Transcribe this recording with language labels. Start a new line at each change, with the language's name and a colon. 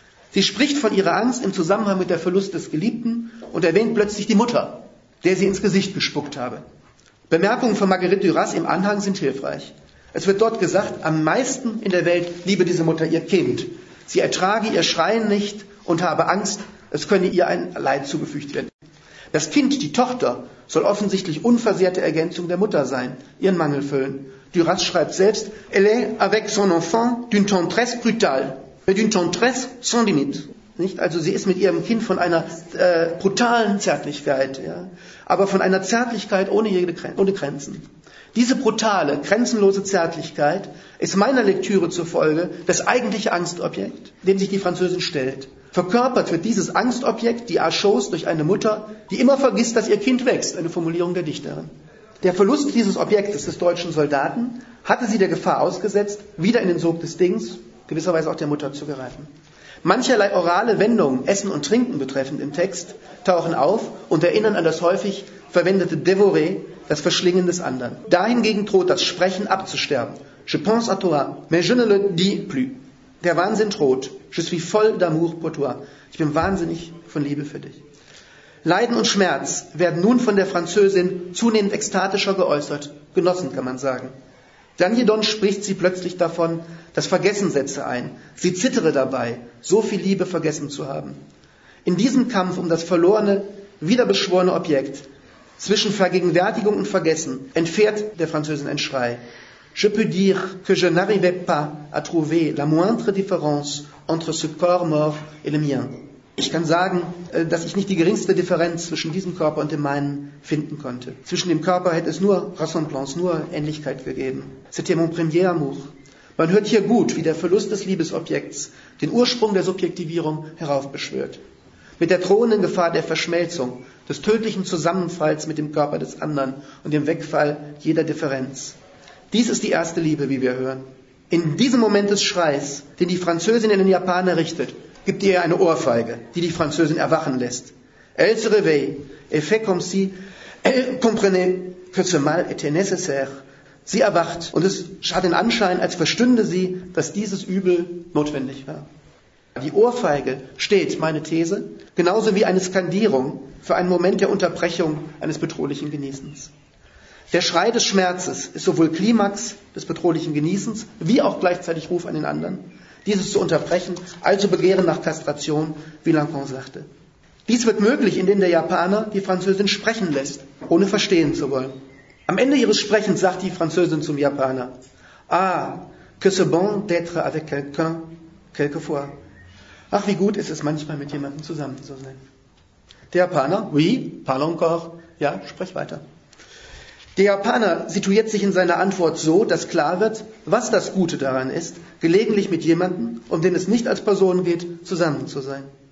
German: Sie spricht von ihrer Angst im Zusammenhang mit der Verlust des Geliebten und erwähnt plötzlich die Mutter, der sie ins Gesicht gespuckt habe. Bemerkungen von Marguerite Duras im Anhang sind hilfreich. Es wird dort gesagt, am meisten in der Welt liebe diese Mutter ihr Kind. Sie ertrage ihr Schreien nicht und habe Angst, es könne ihr ein Leid zugefügt werden. Das Kind, die Tochter, soll offensichtlich unversehrte Ergänzung der Mutter sein, ihren Mangel füllen. Duras schreibt selbst,
French: elle est avec son enfant d'une tendresse brutale, mais d'une tendresse sans limite.
German: Nicht? Also sie ist mit ihrem Kind von einer brutalen Zärtlichkeit, ja? Aber von einer Zärtlichkeit ohne Grenzen. Diese brutale, grenzenlose Zärtlichkeit ist meiner Lektüre zufolge das eigentliche Angstobjekt, dem sich die Französin stellt. Verkörpert wird dieses Angstobjekt, die Archose, durch eine Mutter, die immer vergisst, dass ihr Kind wächst, eine Formulierung der Dichterin. Der Verlust dieses Objektes des deutschen Soldaten hatte sie der Gefahr ausgesetzt, wieder in den Sog des Dings, gewisserweise auch der Mutter, zu geraten. Mancherlei orale Wendungen, Essen und Trinken betreffend im Text, tauchen auf und erinnern an das häufig verwendete Dévorer, das Verschlingen des Anderen. Dahingegen droht das Sprechen abzusterben.
French: Je pense à toi, mais je ne le dis plus.
German: Der Wahnsinn droht.
French: Je suis
German: voll
French: d'amour pour toi.
German: Ich bin wahnsinnig von Liebe für dich. Leiden und Schmerz werden nun von der Französin zunehmend ekstatischer geäußert. Genossen, kann man sagen. Daniedon spricht sie plötzlich davon, das Vergessen setze ein. Sie zittere dabei, so viel Liebe vergessen zu haben. In diesem Kampf um das verlorene, wiederbeschworene Objekt zwischen Vergegenwärtigung und Vergessen entfährt der Französin ein Schrei.
French: Je peux dire que je n'arrivais pas à trouver la moindre différence entre ce corps mort et le mien.
German: Ich kann sagen, dass ich nicht die geringste Differenz zwischen diesem Körper und dem meinen finden konnte. Zwischen dem Körper hätte es nur Ressemblance, nur Ähnlichkeit gegeben.
French: C'était mon premier amour.
German: Man hört hier gut, wie der Verlust des Liebesobjekts den Ursprung der Subjektivierung heraufbeschwört. Mit der drohenden Gefahr der Verschmelzung, des tödlichen Zusammenfalls mit dem Körper des anderen und dem Wegfall jeder Differenz. Dies ist die erste Liebe, wie wir hören. In diesem Moment des Schreis, den die Französin in den Japaner richtet, gibt ihr eine Ohrfeige, die die Französin erwachen lässt.
French: Elle se réveille, et fait comme si elle comprenait que ce mal était nécessaire.
German: Sie erwacht und es hat den Anschein, als verstünde sie, dass dieses Übel notwendig war. Die Ohrfeige steht, meine These, genauso wie eine Skandierung für einen Moment der Unterbrechung eines bedrohlichen Genießens. Der Schrei des Schmerzes ist sowohl Klimax des bedrohlichen Genießens, wie auch gleichzeitig Ruf an den anderen, dieses zu unterbrechen, also Begehren nach Kastration, wie Lancan sagte. Dies wird möglich, indem der Japaner die Französin sprechen lässt, ohne verstehen zu wollen. Am Ende ihres Sprechens sagt die Französin zum Japaner,
French: ah, que c'est bon d'être avec quelqu'un quelquefois.
German: Ach, wie gut ist es, manchmal mit jemandem zusammen zu sein. Der Japaner,
French: oui, parle encore,
German: ja, sprich weiter. Der Japaner situiert sich in seiner Antwort so, dass klar wird, was das Gute daran ist, gelegentlich mit jemandem, um den es nicht als Person geht, zusammen zu sein.